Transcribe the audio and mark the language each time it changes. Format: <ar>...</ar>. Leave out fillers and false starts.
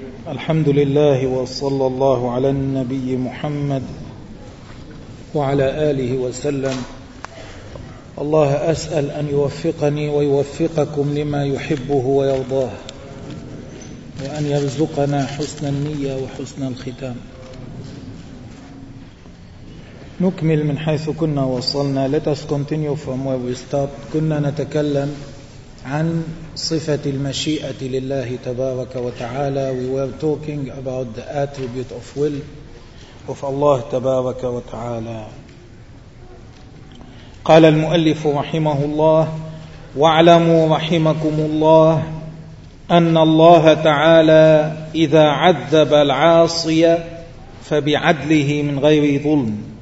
<ar>الحمد لله وصلى الله على النبي محمد وعلى آله وسلم. الله أسأل أن يوفقني ويوفقكم لما يحبه ويرضاه، وأن يرزقنا حسن النية وحسن الختام. نكمل من حيث كنا وصلنا.</ar> <en>Let us continue from where we stopped.</en> <ar>كنا نتكلم عن صفة المشيئة لله تبارك وتعالى.</ar> <en>We were talking about the attribute of will of Allah تبارك وتعالى.</en> <ar>قال المؤلف رحمه الله: واعلموا رحمكم الله أن الله تعالى إذا عذب العاصية فبعدله من غير ظلم.</ar>